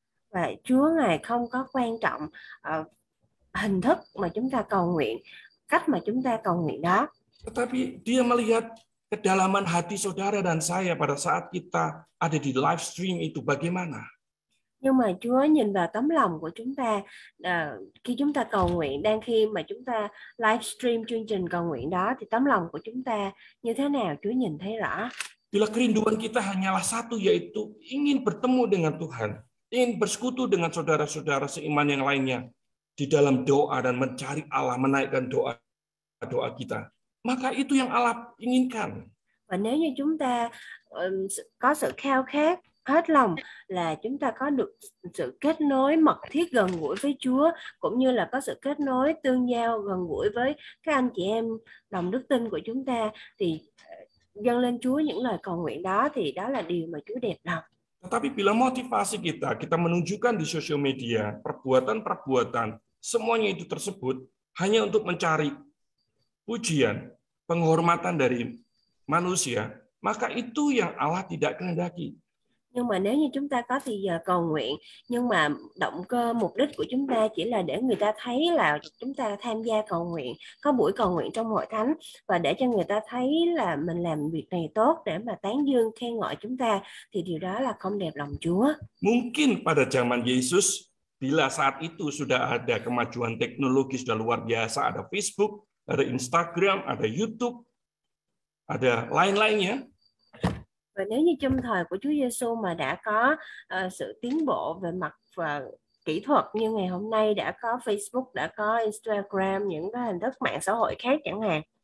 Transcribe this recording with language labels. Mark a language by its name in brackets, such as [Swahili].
[Vietnamese] Và Chúa Ngài không có quan trọng hình thức mà chúng ta cầu nguyện, cách mà chúng ta cầu nguyện đó. [Indonesian] Tetapi dia melihat kedalaman hati saudara dan saya pada saat kita ada di live stream itu bagaimana. [Vietnamese] Nhưng mà Chúa nhìn vào tấm lòng của chúng ta khi chúng ta cầu nguyện, đang khi mà chúng ta live stream chương trình cầu nguyện đó, thì tấm lòng của chúng ta như thế nào Chúa nhìn thấy rõ. [Indonesian] Bila kerinduan kita hanyalah satu, yaitu ingin bertemu dengan Tuhan, ingin bersekutu dengan saudara-saudara seiman yang lainnya di dalam doa dan mencari Allah, menaikkan doa-doa kita, maka itu yang Allah inginkan. [Vietnamese] Và nếu như chúng ta có sự khao khát hết lòng là chúng ta có được sự kết nối mật thiết gần gũi với Chúa, cũng như là có sự kết nối tương giao gần gũi với các anh chị em đồng đức tin của chúng ta, thì dâng lên Chúa những lời cầu nguyện đó, thì đó là điều mà Chúa đẹp lòng. [Indonesian] Tetapi bila motivasi kita, kita menunjukkan di sosial media, perbuatan-perbuatan, semuanya itu tersebut hanya untuk mencari pujian, penghormatan dari manusia, maka itu yang Allah tidak kehendaki. [Vietnamese] Nhưng mà nếu như chúng ta có thì giờ cầu nguyện, nhưng mà động cơ mục đích của chúng ta chỉ là để người ta thấy là chúng ta tham gia cầu nguyện, có buổi cầu nguyện trong hội thánh, và để cho người ta thấy là mình làm việc này tốt để mà tán dương khen ngợi chúng ta, thì điều đó là không đẹp lòng Chúa. [Indonesian] Mungkin pada zaman Yesus, bila saat itu sudah ada kemajuan teknologi sudah luar biasa, ada Facebook, ada Instagram, ada YouTube, ada lain-lainnya. [Vietnamese] Và nếu như trong thời của Chúa Giêsu mà đã có sự tiến bộ về mặt và kỹ thuật như ngày hôm nay, đã có Facebook, đã có Instagram, những cái hình thức mạng xã hội khác chẳng hạn.